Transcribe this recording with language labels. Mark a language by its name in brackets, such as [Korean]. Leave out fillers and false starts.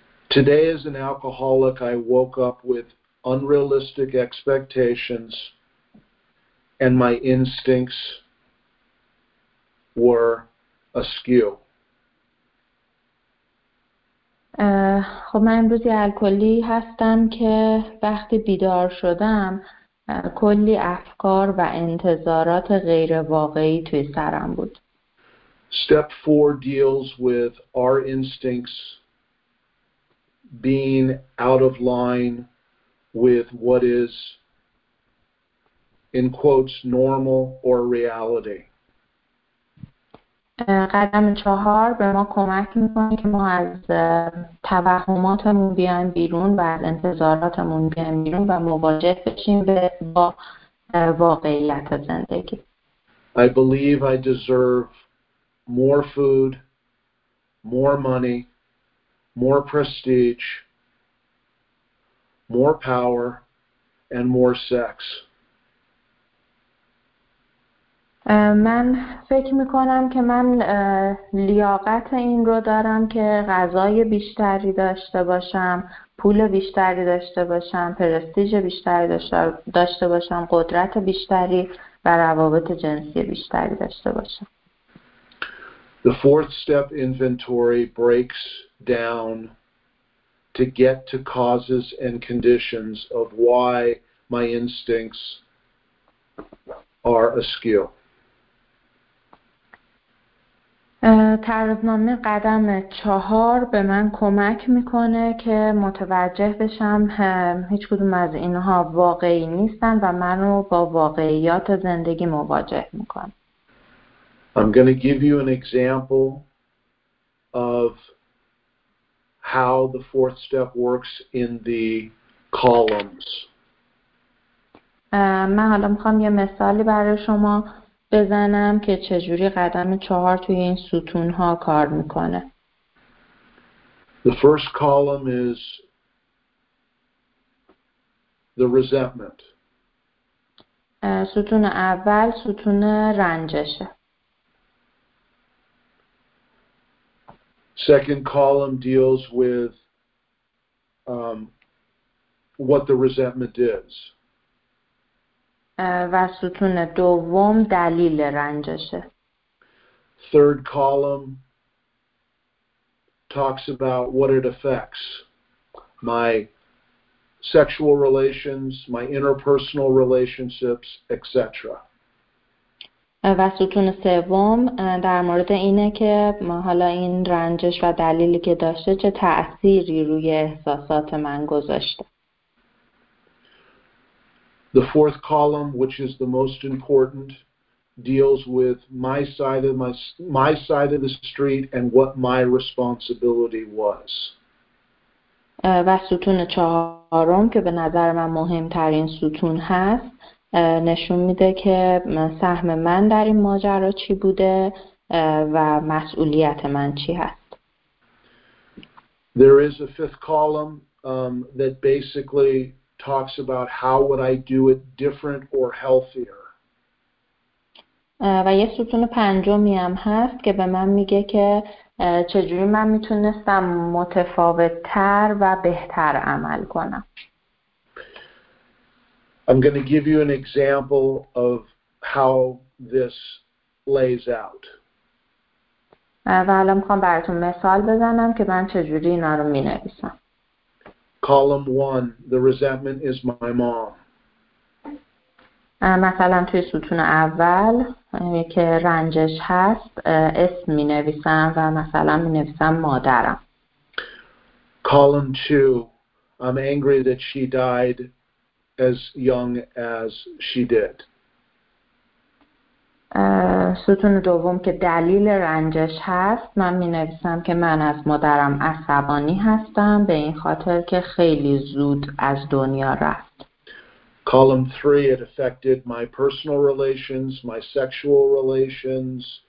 [English] Today as an alcoholic I woke up with unrealistic expectations and my instincts were askew. [Persian] خب من امروز یه الکلی هستم که وقتی بیدار شدم کلی افکار و انتظارات غیر واقعی توی سرم بود. [English] Step 4 deals with our instincts being out of line with what is in quotes normal or reality. [Persian] قدم چهار به ما کمک میکنه که ما از توهماتمون بیایم بیرون و از انتظاراتمون بیایم بیرون و مواجه بشیم با واقعیت زندگی. [English] I believe I deserve more food, more money, more prestige, more power and more sex. [Persian] من فکر میکنم که من لیاقت این رو دارم که غذای بیشتری داشته باشم، با پول بیشتری داشته باشم، پرستیژ بیشتری داشته باشم، قدرت بیشتری و روابط جنسی بیشتری داشته باشم. [English] The fourth step inventory breaks down to get to causes and conditions of why my instincts are askew. [Persian] تعرفنامه قدم چهار به من کمک میکنه که متوجه بشم هیچ کدوم از اینها واقعی نیستن و منو با واقعیات زندگی مواجه میکنه. [English] I'm going to give you an example of how the fourth step works in the columns. [Persian] من حالا میخوام یه مثالی برای شما بزنم که چجوری قدم چهار توی این ستون‌ها کار میکنه. [English] The first column is the resentment. [Persian] ستون اول ستون رنجشه. [English] Second column deals with what the resentment is. [Persian] و ستون دوم دلیل رنجشه. [English] Third column talks about what it affects. My sexual relations, my interpersonal relationships, etc. [Persian] و ستون سوم در مورد اینه که ما حالا این رنجش و دلیلی که داشته چه تأثیری روی احساسات من گذاشته. [English] The fourth column, which is the most important, deals with my side of the street and what my responsibility was. [Persian] و ستون چهارم که به نظر من مهمترین ستون هست نشون میده که سهم من در این ماجرا چی بوده و مسئولیت من چی هست. [English] There is a fifth column that basically talks about how would I do it different or healthier. [Persian] و یه ستون پنجمی هم هست که به من میگه که چجوری من میتونستم متفاوت تر و بهتر عمل کنم. [English] I'm going to give you an example of how this lays out. [Persian] و الان میخوام براتون مثال بزنم که من چجوری اینا رو مینویسم. [English] Column 1, the resentment is my mom. [Persian] مثلا توی ستون اول که رنجش هست اسم می نویسم و مثلا می نویسم مادرم. [English] Column 2, I'm angry that she died as young as she did. [Persian] ستون دوم که دلیل رنجش هست من می نویسم که من از مادرم عصبانی هستم به این خاطر که خیلی زود از دنیا رفت. [English] Column 3, it affected my personal relations, my sexual relations.